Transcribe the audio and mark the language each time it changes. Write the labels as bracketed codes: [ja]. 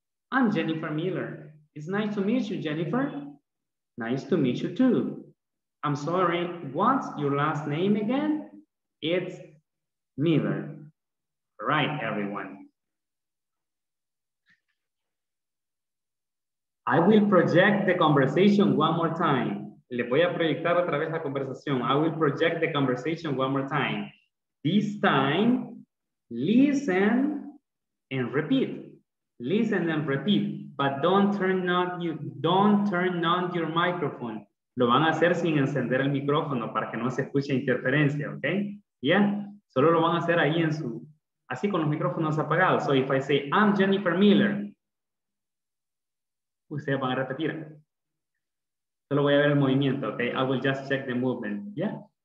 [en] I'm Jennifer Miller. It's nice to meet you, Jennifer. Nice to meet you too. I'm sorry, what's your last name again? It's Miller. Right, everyone. I will project the conversation one more time. [es] Le voy a proyectar otra vez la conversación. [en] I will project the conversation one more time. This time, listen and repeat. Listen and repeat, but don't turn on your microphone. [es] Lo van a hacer sin encender el micrófono para que no se escuche interferencia, ¿ok? Yeah, solo lo van a hacer ahí en su... Así con los micrófonos apagados. [en] So if I say, I'm Jennifer Miller, [es] ustedes van a repetir. Solo voy a ver el movimiento, ¿ok? [en] I will just check the movement, [es] ¿yeah?